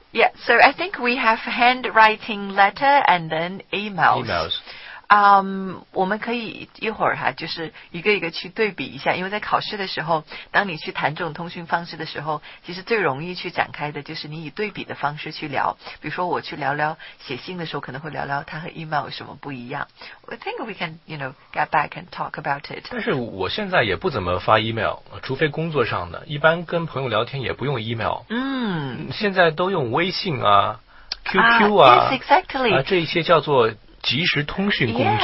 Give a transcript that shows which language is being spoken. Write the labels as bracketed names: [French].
[English] Yeah, so I think we have handwriting letter and then emails. Emails. [Chinese] 我们可以一会儿哈，就是一个一个去对比一下，因为在考试的时候，当你去谈这种通讯方式的时候，其实最容易去展开的就是你以对比的方式去聊。比如说我去聊聊写信的时候，可能会聊聊它和 email 有什么不一样。 [English] I think we can, you know, get back and talk about it. [Chinese] 但是我现在也不怎么发 email, 除非工作上的，一般跟朋友聊天也不用 email。现在都用微信啊 ，QQ 啊 [English] ，Yes, exactly. [Chinese] 啊，这一些叫做。即时通讯工具。